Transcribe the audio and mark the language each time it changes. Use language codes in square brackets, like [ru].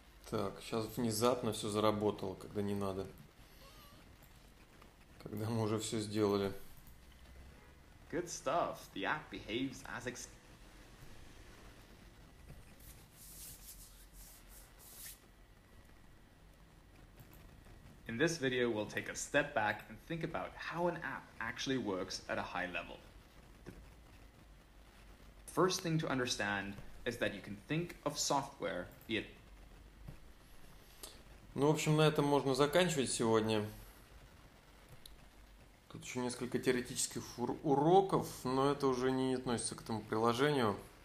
[ru] Так, сейчас внезапно все заработало, когда не надо. Когда мы уже все сделали. [en] Good stuff. The app behaves as In this video we'll take a step back and think about how an app actually works at a high level. The first thing to understand is that you can think of software, be it [ru] Ну, в общем, на этом можно заканчивать сегодня. Тут еще несколько теоретических уроков, но это уже не относится к этому приложению.